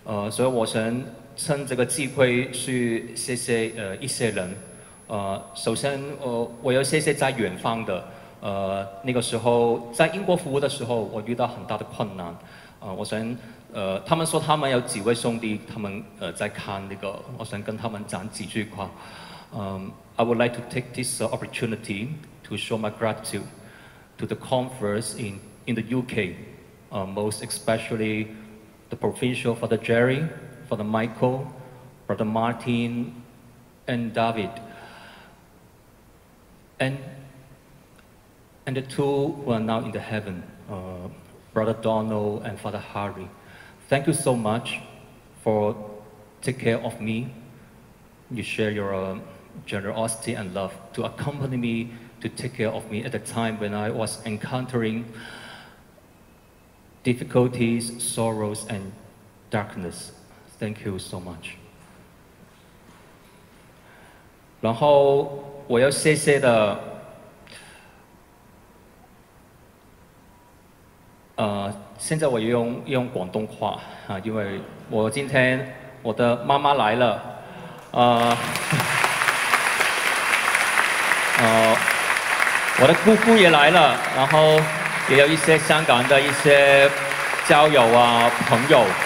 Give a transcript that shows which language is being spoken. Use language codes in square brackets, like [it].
[zh] 所以我想趁这个机会去谢谢一些人。首先我要谢谢在远方的，那个时候在英国服务的时候，我遇到很大的困难。我想。他们说他们有几位兄弟，他们在看那个，我想跟他们讲几句话。 [en] I would like to take this opportunity to show my gratitude to the conference in the UK, most especially the provincial Father Jerry, Father Michael, Brother Martin, and David, and the two who are now in the heaven, Brother Donald and Father Harry. Thank you so much for taking care of me. You share your generosity and love to accompany me, to take care of me at a time when I was encountering difficulties, sorrows, and darkness. Thank you so much. [zh] 然后我要谢谢的，现在我用广东话啊，因为我今天我的妈妈来了，我的姑姑也来了，然后也有一些香港的一些交友啊朋友，